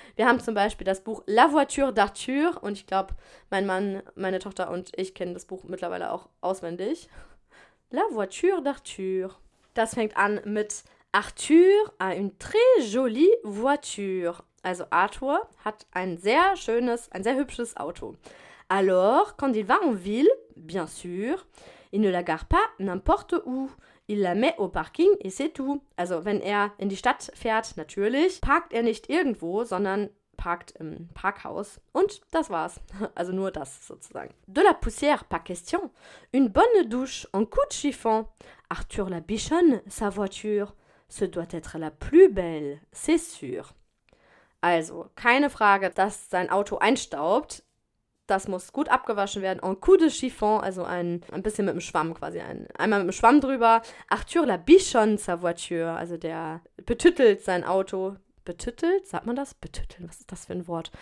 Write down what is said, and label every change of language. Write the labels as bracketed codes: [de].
[de] Wir haben zum Beispiel das Buch La Voiture d'Arthur und ich glaube, mein Mann, meine Tochter und ich kennen das Buch mittlerweile auch auswendig. [fr] La Voiture d'Arthur. [de] Das fängt an mit [fr] Arthur a une très jolie voiture. [de] Also Arthur hat ein sehr hübsches Auto. [fr] Alors, quand il va en ville, bien sûr, il ne la gare pas n'importe où. Il la met au parking et c'est tout. [de] Also wenn er in die Stadt fährt, natürlich, parkt er nicht irgendwo, sondern parkt im Parkhaus. Und das war's. Also nur das sozusagen. [fr] De la poussière, pas question. Une bonne douche, un coup de chiffon. Arthur la bichonne, sa voiture. Ce doit être la plus belle, c'est sûr. [de] Also, keine Frage, dass sein Auto einstaubt. Das muss gut abgewaschen werden. [fr] Un coup de chiffon, [de] also ein bisschen mit dem Schwamm quasi. Einmal mit dem Schwamm drüber. [fr] Arthur la bichonne sa voiture, [de] also der betüttelt sein Auto. Betüttelt, sagt man das? Betütteln, was ist das für ein Wort?